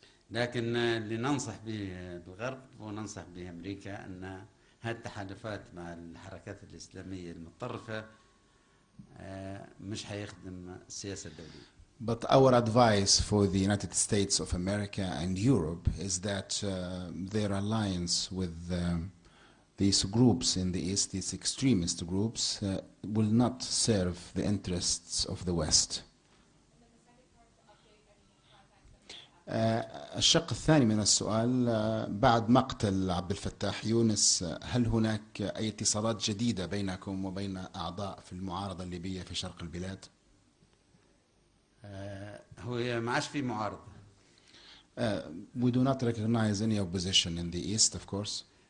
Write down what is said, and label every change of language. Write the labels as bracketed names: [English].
[Arabic] لكن اللي ننصح به بالغرب وننصح به أمريكا أن هذه التحالفات مع الحركات الإسلامية المتطرفة مش هيخدم السياسة الدولية. [English] But our advice for the United States of America and Europe is that their alliance with these groups in the East, these extremist groups, will not serve the interests of the West. [Arabic] الشق الثاني من السؤال بعد مقتل عبد الفتاح يونس هل هناك أي اتصالات جديدة بينكم وبين أعضاء في المعارضة الليبية في شرق البلاد؟ هو ما عادش في معارضة. [English] We do not recognize any opposition in the East, of course.